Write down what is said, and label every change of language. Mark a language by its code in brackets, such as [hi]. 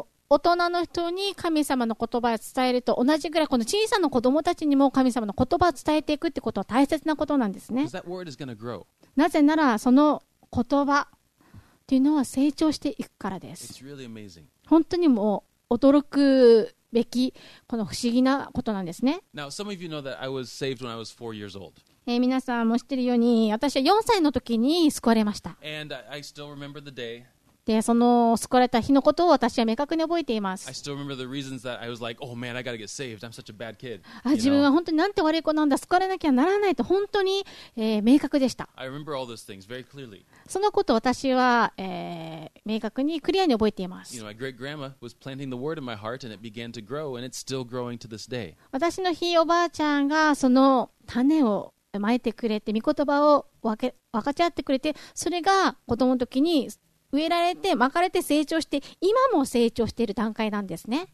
[ja] 大人の人に神様の言葉を伝えると同じぐらいこの小さな子供たちにも神様の言葉を伝えていくってことは大切なことなんですね。 [en] Because that word is going to grow. [ja] なぜならその言葉というのは成長していくからです。 [en] It's really amazing. [ja] 本当にもう驚くべきこの不思議なことなんですね。 [en] Now, some of you know that I was saved when I was 4 years old. [ja] 皆さんも知っているように私は4歳の時に救われました。 [en] And I still remember the day. [ja] でその救われた日のことを私は明確に覚えています。 [en] I still remember the reasons that I was like, oh man, I gotta get saved. I'm such a bad kid. [ja] 自分は本当になんて悪い子なんだ、救われなきゃならないと本当に、明確でした。 [en] I remember all those things very clearly. [ja] そのことを私は、明確にクリアに覚えています。 [en] You know, my great grandma was planting the word in my heart and it began to grow and it's still growing to this day. [ja] 私のひいおばあちゃんがその種を撒いてくれて、御言葉を分かち合ってくれて、それが子供の時に植えられて、撒かれて成長して、今も成長している段階なんですね。